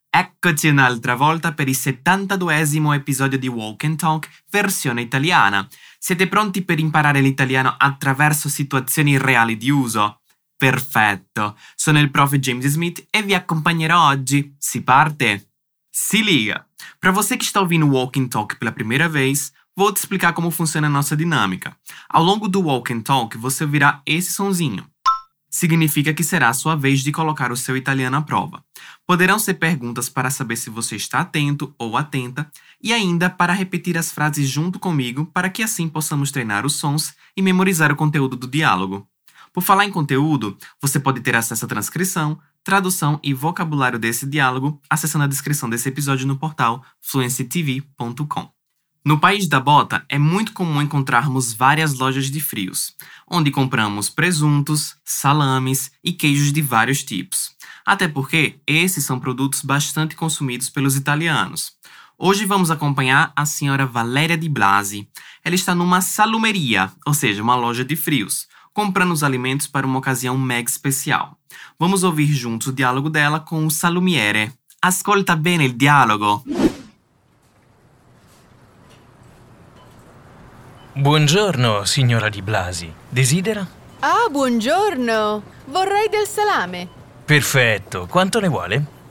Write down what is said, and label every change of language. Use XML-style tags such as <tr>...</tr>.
<it>Eccoci un'altra volta per il 72esimo episodio di Walk and Talk, versione italiana. Siete pronti per imparare l'italiano attraverso situazioni reali di uso? Perfetto! Sono il prof. James Smith e vi accompagnerò oggi. Si parte? Si liga!</it> <pt>Per voi che stanno ouvindo Walk and Talk per la prima vez, vou te explicar como funciona a nossa dinâmica. Ao longo do Walk and Talk, você ouvirá esse sonzinho. Significa que será a sua vez de colocar o seu italiano à prova. Poderão ser perguntas para saber se você está atento ou atenta, e ainda para repetir as frases junto comigo para que assim possamos treinar os sons e memorizar o conteúdo do diálogo. Por falar em conteúdo, você pode ter acesso à transcrição, tradução e vocabulário desse diálogo acessando a descrição desse episódio no portal fluencytv.com. No país da bota, é muito comum encontrarmos várias lojas de frios, onde compramos presuntos, salames e queijos de vários tipos. Até porque esses são produtos bastante consumidos pelos italianos. Hoje vamos acompanhar a senhora Valéria Di Blasi. Ela está numa salumeria, ou seja, uma loja de frios, comprando os alimentos para uma ocasião mega especial. Vamos ouvir juntos o diálogo dela com o salumiere.</pt> <it>Ascolta bene il dialogo! Buongiorno, signora Di Blasi. Desidera? Ah, buongiorno. Vorrei del salame. Perfetto. Quanto ne vuole?</it>